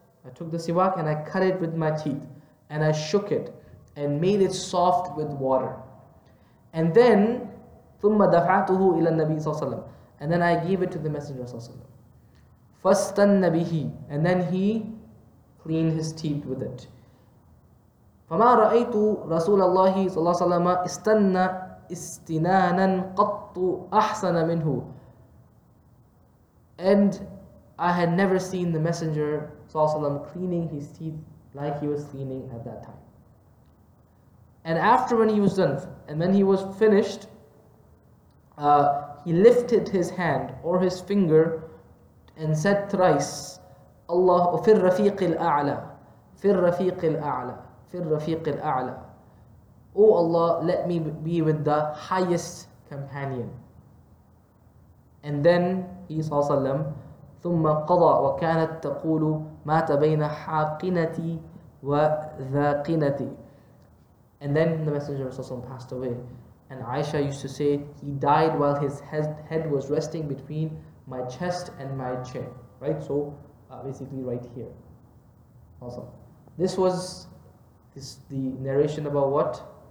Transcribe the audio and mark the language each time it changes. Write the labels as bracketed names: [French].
[English] I took the siwak and I cut it with my teeth. And I shook it and made it soft with water. And then [Arabic] ثم دفعته إلى النبي صلى الله عليه وسلم. [English] And then I gave it to the Messenger صلى الله عليه وسلم. [Arabic] فاستن به. [English] And then he cleaned his teeth with it. [Arabic] فما رأيت رسول الله صلى الله عليه وسلم استنى استنانا قط أحسن منه. [English] And I had never seen the Messenger صلى الله عليه وسلم cleaning his teeth like he was cleaning at that time. And after when he was done, and when he was finished, he lifted his hand or his finger and said thrice, Allah [Arabic] في الرفيق الأعلى في الرفيق الأعلى في الرفيق الأعلى. [English] Oh Allah, let me be with the highest companion. And then he [Arabic] صلى الله عليه وسلم ثم قضى وكانت تقول مات بين حاقنتي وذاقنتي. [English] And then the Messenger صلى الله عليه وسلم passed away. And Aisha used to say, he died while his head was resting between my chest and my chin. Right? So basically right here. Awesome. This was the narration about what?